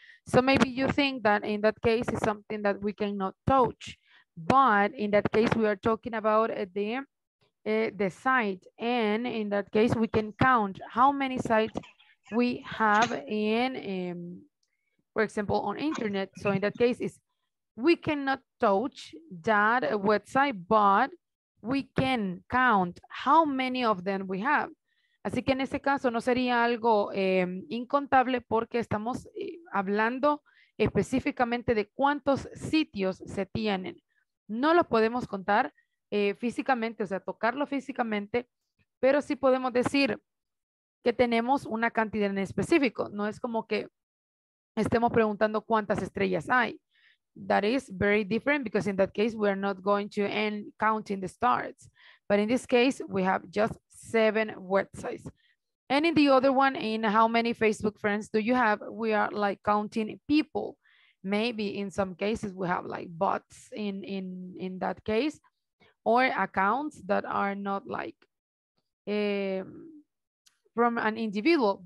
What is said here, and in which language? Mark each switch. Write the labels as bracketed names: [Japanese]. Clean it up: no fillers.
[English] So maybe you think that in that case is something that we cannot touch, but in that case we are talking about the site, and in that case we can count how many sites we have in, for example, on internet. So in that case is we cannot touch that website, but we can count how many of them we have. [Spanish] Así que en ese caso no sería algo incontable porque estamos hablando específicamente de cuántos sitios se tienen. No lo podemos contar físicamente, o sea, tocarlo físicamente, pero sí podemos decir que tenemos una cantidad en específico. No es como que estemos preguntando cuántas estrellas hay. [English] That is very different because in that case we are not going to end counting the stars. But in this case, we have just 7 websites. And in the other one, in how many Facebook friends do you have, we are like counting people. Maybe in some cases we have like bots in that case, or accounts that are not like from an individual.